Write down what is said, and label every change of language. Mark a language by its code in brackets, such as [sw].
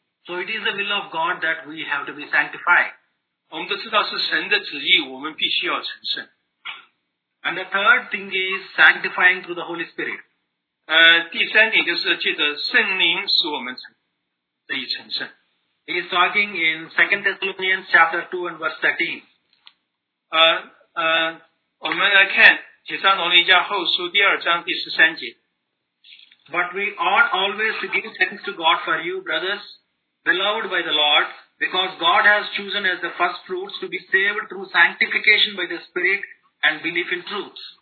[en] So it is the will of God that we have to be sanctified. [zh] 我们都知道是神的旨意，我们必须要成圣。 [en] And the third thing is sanctifying through the Holy Spirit. [zh] 第三点就是借着圣灵使我们得以成圣。 [en] He's talking in 2 Thessalonians chapter 2 and verse 13. [zh] 我们来看《帖撒罗尼迦后书》第2章第13节。 [en] But we ought always to give thanks to God for you, brothers, beloved by the Lord, because God has chosen as the first fruits to be saved through sanctification by the Spirit and belief in truth.